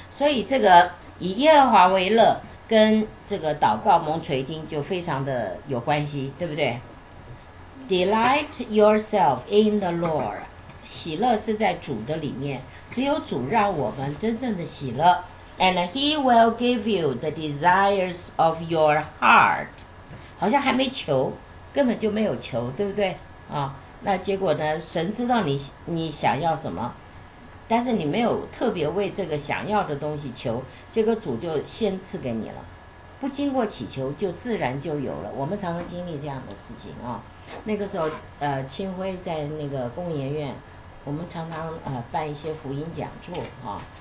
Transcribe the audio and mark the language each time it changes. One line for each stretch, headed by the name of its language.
Chinese: 所以这个以耶和华为乐跟这个祷告蒙垂听就非常的有关系，对不对？
English: Delight yourself in the Lord，
Chinese: 喜乐是在主的里面，只有主让我们真正的喜乐。
English: And he will give you the desires of your heart，
Chinese: 好像还没求，根本就没有求，对不对啊？那结果呢，神知道你想要什么，但是你没有特别为这个想要的东西求，结果主就先赐给你了，不经过祈求就自然就有了。我们常常经历这样的事情啊。那个时候清辉在那个工研院，我们常常办一些福音讲座啊。